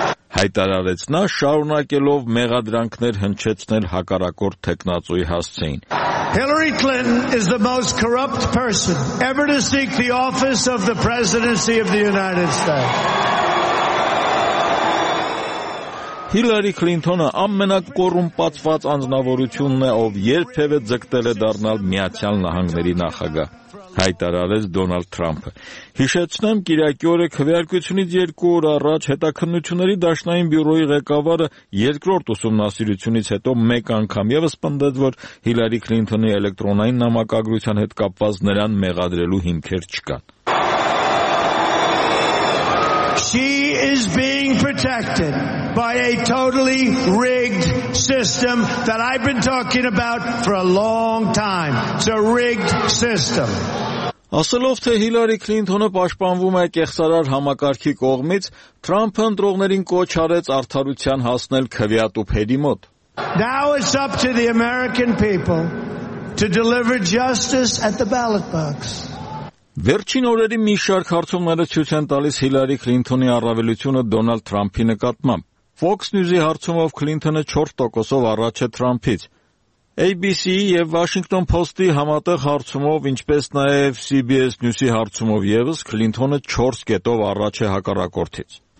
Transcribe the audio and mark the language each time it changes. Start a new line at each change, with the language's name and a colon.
Armenian: Հայտարարեց նա, շարունակելով մեղադրանքներ հնչեցնել հակառակորդ թեկնածուի հասցեին.
English: Hillary Clinton is the most corrupt person ever to seek the office of the presidency of the United States.
Armenian: Հիլարի Քլինթոնը ամենակոռումպացված անձնավորությունն է, ով երբևէ ձգտել է դառնալ Միացյալ Նահանգների նախագահ, հայտարարեց Դոնալդ Թրամփը։ Հիշեցնեմ, կիրակի օրը քվեարկությունից 2 օր առաջ Հետաքննությունների Դաշնային Բյուրոյի ղեկավարը երկրորդ ուսումնասիրությունից հետո մեկ անգամ եւս պնդեց, որ Հիլարի Քլինթոնի էլեկտրոնային նամակագրության հետ կապված նրան մեղադրելու հիմքեր չկան։
English: She is being protected by a totally rigged system that I've been talking about for a long time. It's a rigged system.
Armenian: Ասելով, թե Հիլարի Քլինթոնը պաշտպանվում է կեղծարար համակարգի կողմից, Թրամփը ընտրողներին կոչ արեց արդարության հասնել քվեատուփերի մոտ.
English: Now it's up to the American people to deliver justice at the ballot box.
Armenian: Վերջին օրերի մի շարք հարցումները ցույց են տալիս Հիլարի Քլինթոնի առավելությունը Դոնալդ Թրամփի նկատմամբ։ Fox News-ի հարցումով Քլինթոնը 4%-ով առաջ է Թրամփից։ ABC-ի եւ Washington Post-ի համատեղ հարցումով, ինչպես նաեւ CBS News-ի հարցումով եւս Քլինթոնը 4%-ով առաջ է հակառակորդից։